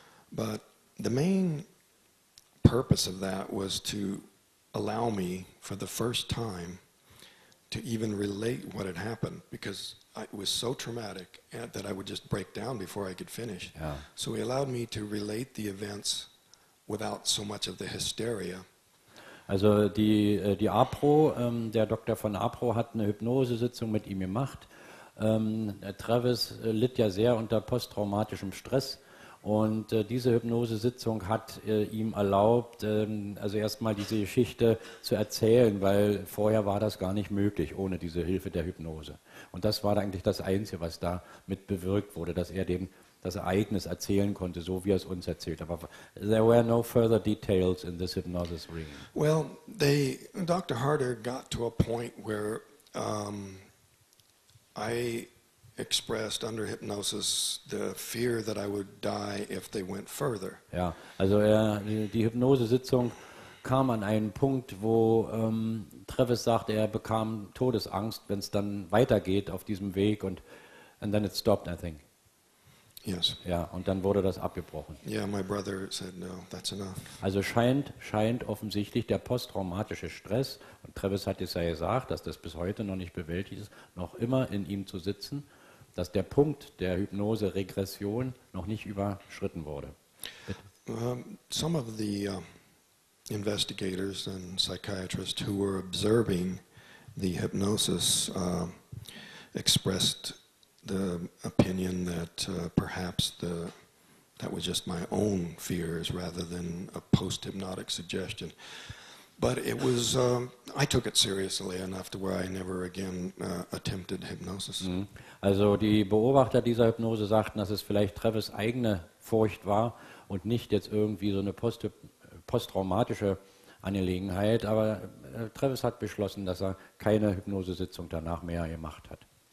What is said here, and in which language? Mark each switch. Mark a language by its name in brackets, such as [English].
[English] But the main purpose of that was to allow me for the first time to even relate what had happened, because it was so traumatic that I would just break down before I could finish. Yeah. So he allowed me to relate the events without so much of the hysteria. [German] Also die APRO, der Doktor von APRO hat eine Hypnosesitzung mit ihm gemacht. Travis litt ja sehr unter posttraumatischem Stress. Und diese Hypnosesitzung hat ihm erlaubt, also erstmal diese Geschichte zu erzählen, weil vorher war das gar nicht möglich ohne diese Hilfe der Hypnose. Und das war eigentlich das Einzige, was da mit bewirkt wurde, dass er dem das Ereignis erzählen konnte, so wie er es uns erzählt. Aber [English] there were no further details in this hypnosis ring. Well, they, Dr. Harder got to a point where I expressed under hypnosis the fear that I would die if they went further. [German] Ja, also die Hypnosesitzung kam an einen Punkt, wo Travis sagte, er bekam Todesangst, wenn es dann weitergeht auf diesem Weg, [English] and then it stopped, I think. Yes. [German] Ja, und dann wurde das abgebrochen. [English] Yeah, my brother said no, that's enough. [German] Also scheint offensichtlich der posttraumatische Stress, und Travis hat es ja gesagt, dass das bis heute noch nicht bewältigt ist, noch immer in ihm zu sitzen, dass der Punkt der Hypnose-Regression noch nicht überschritten wurde. [English] Some of the investigators and psychiatrists who were observing the hypnosis expressed the opinion that perhaps that was just my own fears rather than a post-hypnotic suggestion. But it was, I took it seriously enough to where I never again attempted hypnosis. Mm. [German] Also die Beobachter dieser Hypnose sagten, dass es vielleicht Travis' eigene Furcht war und nicht jetzt irgendwie so eine posttraumatische Angelegenheit. Aber Travis hat beschlossen, dass er keine Hypnosesitzung danach mehr gemacht hat.